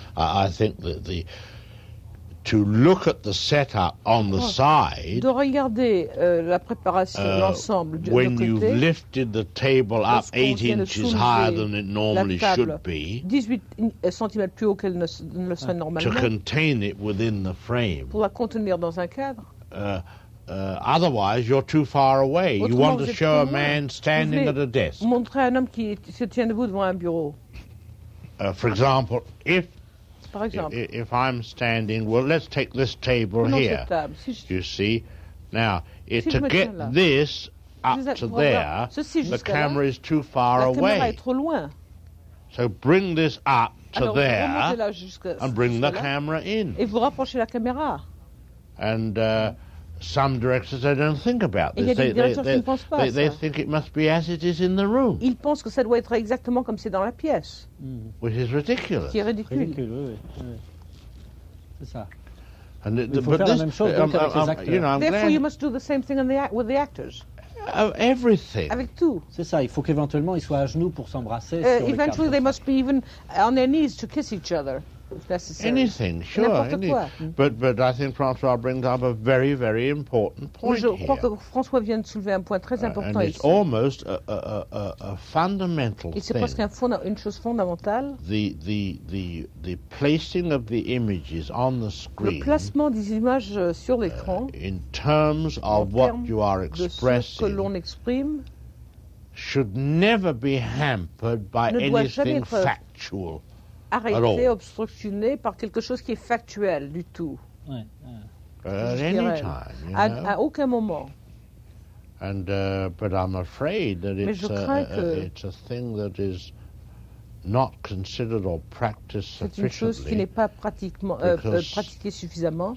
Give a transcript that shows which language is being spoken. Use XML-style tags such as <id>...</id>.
<en>I think that the to look at the setup on the side.</en> <fr>De regarder la préparation l'ensemble de côté.</fr> <en>When you've lifted the table up 8 inches higher than it normally should be.</en> <fr>18 centimètres plus haut qu'elle ne le serait normalement.</fr> <en>To contain it within the frame.</en> <fr>Pour la contenir dans un cadre.</fr> <en>Otherwise, you're too far away. You want to show a man standing at a desk.</en> <fr>Montrer un homme qui se tient debout devant un bureau.</fr> <en>For example, if.</en> <fr>Par exemple,</fr> <en>if I'm standing, well, let's take this table here. You see, now, to get this up to there, the camera is too far away. So bring this up to there and bring the camera in.</en> <fr>Et vous rapprochez la caméra.</fr> <en>And some directors, they don't think about this. They think it must be as it is in the room.</en> <fr>Ils pensent que ça doit être exactement comme c'est dans la pièce.</fr> <en>Mm. Which is ridiculous.</en> <fr>Qui est ridicule. Ridicule, oui.</fr> <en>And</en> <fr>il faut faire la même chose avec les acteurs.</fr> <en>You know, therefore, glad you must do the same thing with the actors. Everything.</en> <fr>Avec tout. C'est ça, il faut qu'éventuellement ils soient à genoux pour s'embrasser.</fr> <en>Eventually, they must be even on their knees to kiss each other. Anything, sure. But I think François brings up a very, very important point.</en> <fr>Je crois que François vient de soulever un point très important ici.</fr> <en>And it's almost a fundamental thing.</en> <fr>Et c'est presque une chose fondamentale.</fr> <en>The placing of the images on the screen.</en> <fr>Le placement des images sur l'écran.</fr> <en>In terms of what you are expressing.</en> <fr>De ce que l'on exprime.</fr> <en>Should never be hampered by anything factual.</en> <fr>Arrêter, obstructionner par quelque chose qui est factuel du tout. À aucun moment.</fr> <en>And but I'm afraid that it's a thing that is not considered or practiced sufficiently.</en> <fr>C'est une chose qui n'est pas pratiquement pratiquée suffisamment.</fr>